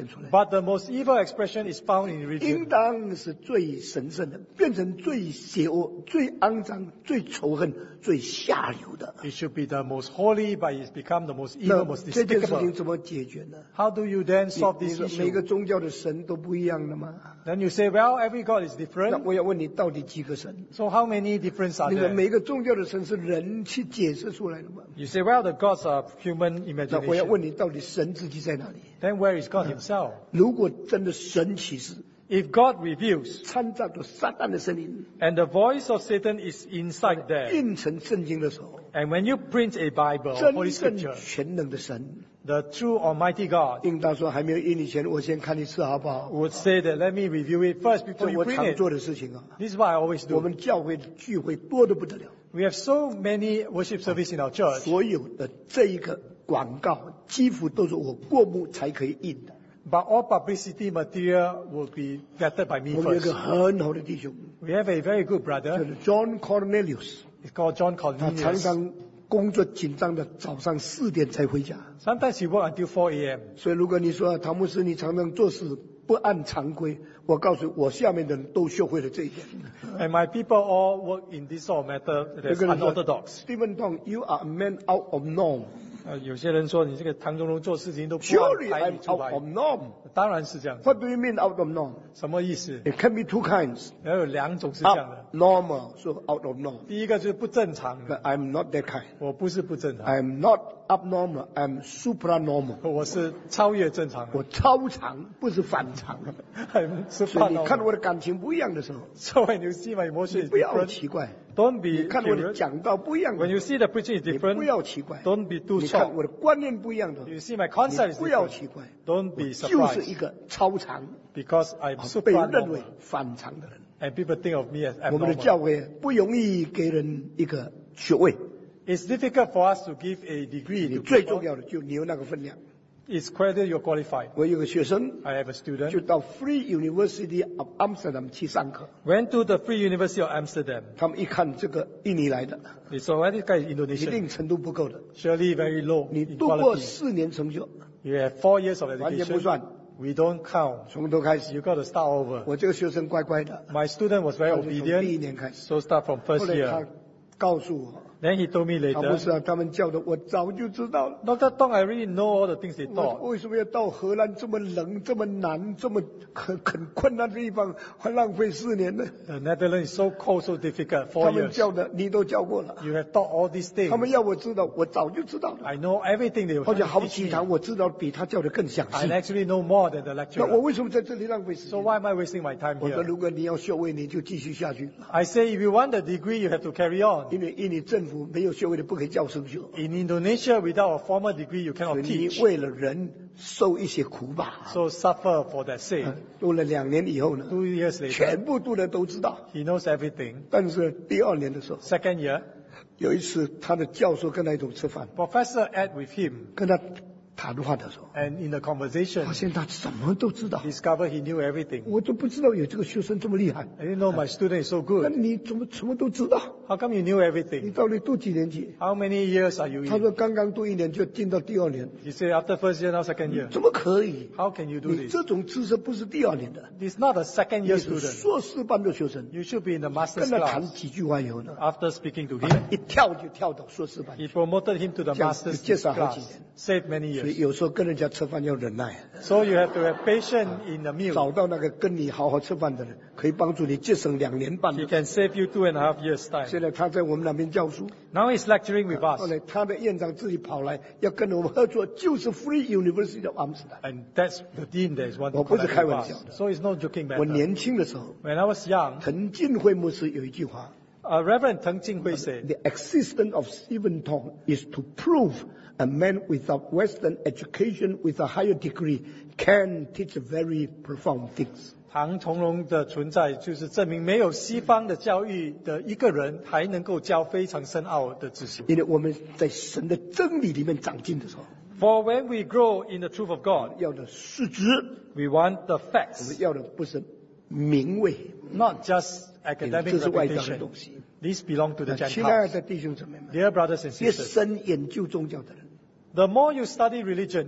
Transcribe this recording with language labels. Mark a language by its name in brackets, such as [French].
[English] But the most evil expression is found in religion. [Chinese] 应当是最神圣的, 变成最邪恶, 最肮脏, 最仇恨, 最下流的。 [English] It should be the most holy, but it's become the most evil, most despicable. [Chinese] 这件事情怎么解决呢? [English] How do you then solve this issue? [Chinese] 每个宗教的神都不一样的吗? [English] Then you say, well, every God is different. [Chinese] 那我要问你到底几个神? [English] So how many difference are there? [Chinese] 每个宗教的神是人去解释出来的吗? [English] You say, well, the gods are human imagination. [Chinese] 那我要问你到底神自己在哪里? [English] Then where is God himself? [Chinese] 如果真的神启示, [English] if God reveals, [Chinese] 参照着撒旦的声音, [English] and the voice of Satan is inside there, [Chinese] 印成圣经的时候, [English] and when you print a Bible, Holy Scripture, [Chinese] 真正全能的神, [English] the true Almighty God, [Chinese] 应当说还没有印以前, 我先看一次好不好? [English] Would say that let me review it first before you print it. [Chinese] 这我常做的事情啊, [English] this is what I always do. [Chinese] 我们教会聚会多得不得了, [English] we have so many worship services in our church. [Chinese] 所有的这一个广告, 几乎都是我过目才可以印的。 [English] But all publicity material will be vetted by me first. We have a very good brother. John Cornelius. He's called John Cornelius. [Chinese] 他常常工作紧张的早上4点才回家。 [English] Sometimes he works until 4 a.m. [Chinese] 所以如果你说唐牧师你常常做事, 不按常规, 我告诉我下面的人都学会了这一点。 [English] And my people all work in this sort of matter that is unorthodox. Stephen Tong, you are a man out of norm. [Chinese] 有些人说你这个唐中龙做事情都不按牌理出牌。当然是这样子。 [English] What do you mean out of norm? [Chinese] 什么意思? [English] It can be two kinds. [Chinese] 有两种是这样的。 [English] Normal, so out of norm. [Chinese] 第一个就是不正常的。 [English] But I'm not that kind. [Chinese] 我不是不正常。 [English] I'm not abnormal, I'm supranormal. [Chinese] 我是超越正常的。我超常,不是反常。 [English] I'm supranormal. [Chinese] 所以你看我的感情不一样的时候, [English] so when you see my emotion is different, [Chinese] 不要奇怪。 [English] Don't be [Chinese] 你看我的讲道不一样, [English] when you see the preaching is different, [Chinese] 你不要奇怪, [English] don't be too shocked. [Chinese] 你看我的观念不一样的, [English] you see my concept is different, don't be surprised. [Chinese] 就是一个超常, [English] because I'm super normal, [Chinese] 被认为反常的人, [English] and people think of me as abnormal. [Chinese] 我们的教会不容易给人一个学位, [English] it's difficult for us to give a degree. [Chinese] 最重要的就是你有那个分量, [English] it's whether you're qualified. [Chinese] 我有个学生, [English] I have a student, [Chinese] 就到 Free University of Amsterdam 去上课, [English] went to the Free University of Amsterdam. [Chinese] 他们一看这个印尼来的, [English] they saw, well, this guy is Indonesian, [Chinese] 一定程度不够的, [English] surely very low. [Chinese] 你度过四年成就, [English] you have 4 years of education, [Chinese] 完全不算, [English] we don't count, [Chinese] 从头开始, [English] you got to start over. [Chinese] 我这个学生乖乖的, [English] my student was very obedient, so start from first year. [Chinese] 后来他告诉我, [English] then he told me later, [Chinese] 啊不是啊, 他们叫的, 我早就知道了, [English] Dr. Tong, I really know all the things they taught. [Chinese] 为什么要到荷兰这么冷, 这么难, 这么很困难的地方, 浪费4年呢? [English] The Netherlands is so cold, so difficult, 4 years. [Chinese] 他们叫的, 你都教过了, [English] you have taught all these things. [Chinese] 他们要我知道, 我早就知道了, [English] I know everything they have taught. [Chinese] 好像好几堂我知道比他教的更详细, [English] I actually know more than the lecturer. [Chinese] 那我为什么在这里浪费时间? [English] So why am I wasting my time here? [Chinese] 我说如果你要学位, 你就继续下去, [English] I say, if you want the degree, you have to carry on. [Chinese] 因为印尼政府没有学位的不可以教授学, [English] in Indonesia without a formal degree you cannot teach. [Chinese] 你为了人受一些苦吧, [English] so suffer for that sake. [Chinese] 读了2年以后呢, [English] 2 years later, [Chinese] 全部读了都知道, [English] he knows everything. [Chinese] 但是第二年的时候, [English] second year, [Chinese] 有一次他的教授跟他一同吃饭, [English] professor Ed with him, [Chinese] 跟他谈话的时候, [English] and in the conversation, [Chinese] 发现他什么都知道, [English] discover he knew everything. [Chinese] 我都不知道有这个学生这么厉害, [English] I didn't know my student is so good. [Chinese] 那你怎么什么都知道? [English] How come you knew everything? [Chinese] 你到底读几年级? [English] How many years are you in? [Chinese] 他说刚刚读一年就进到第二年。 [English] He said after first year, now second year. [Chinese] 怎么可以? [English] How can you do this? [Chinese] 你这种知识不是第二年的。 [English] It's not a second year student. [Chinese] 硕士班的学生。 [English] You should be in the master's class. [Chinese] 跟他谈几句话以后呢? [English] After speaking to him. [Chinese] 一跳就跳到硕士班。 [English] He promoted him to the master's class. [Chinese] 介绍好几年。 [English] Saved many years. [Chinese] 所以有时候跟人家吃饭要忍耐。 [English] So you have to have patience in the meal. [Chinese] 找到那个跟你好好吃饭的人。可以帮助你节省两年半的。 [English] He can save you 2.5 years time. [Chinese] 现在他在我们那边教书。 [English] Now he's lecturing with us. [Chinese] 后来他的院长自己跑来要跟我们合作，就是 Free University of Amsterdam. [English] And that's the dean that is one. [Chinese] 我不是开玩笑的。 [English] So it's no joking matter. [Chinese] 我年轻的时候 [English] ，When I was young， [Chinese] 滕进辉牧师有一句话。 [English] Reverend 滕进辉 said, "The existence of Stephen Tong is to prove a man without Western education with a higher degree can teach very profound things." [Chinese] 唐崇荣的存在就是证明，没有西方的教育的一个人还能够教非常深奥的知识。因为我们在神的真理里面长进的时候。 [English] For when we grow in the truth of God, [Chinese] 要的实质。 [English] We want the facts. [Chinese] 我们要的不是名位。 [English] Not just academic reputation. These belong to the Gentiles. Dear brothers and sisters. [Chinese] 越深研究宗教的人。 [English] The more you study religion,